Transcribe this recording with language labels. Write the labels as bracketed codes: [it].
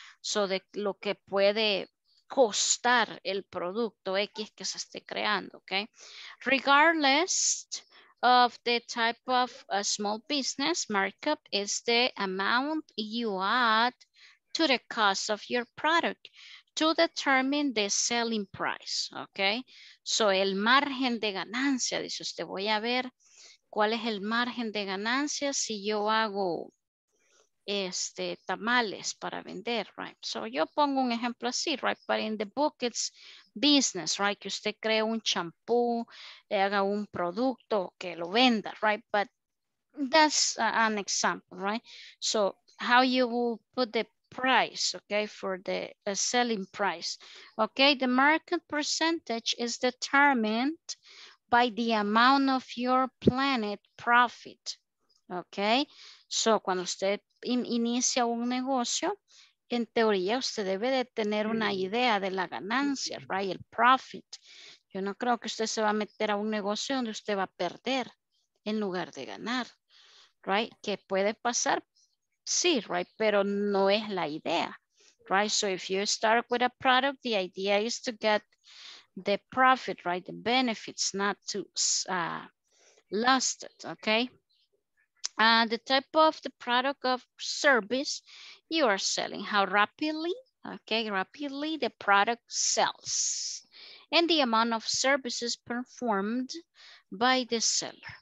[es] So de lo que puede costar el producto X que se esté creando, okay? [en] Regardless of the type of a small business, markup is the amount you add to the cost of your product to determine the selling price, okay? [es] So el margen de ganancia, dice usted, voy a ver cuál es el margen de ganancia si yo hago este, tamales para vender, right? [en] So [es] yo pongo un ejemplo así, [en] right? But in the book it's business, right? [es] Que usted cree un champú, haga un producto, que lo venda, right? [en] But that's an example, right? So how you will put the price, okay, for the selling price. Okay, the market percentage is determined by the amount of your planned profit. [es] Okay, so cuando usted inicia un negocio, en teoría usted debe de tener una idea de la ganancia, right, el profit. Yo no creo que usted se va a meter a un negocio donde usted va a perder en lugar de ganar, right, que puede pasar. Sí, right, pero no es la idea, right? [en] So if you start with a product, the idea is to get the profit, right? The benefits, not to lost it, okay? The type of the product or service you are selling, how rapidly, okay, rapidly the product sells, and the amount of services performed by the seller.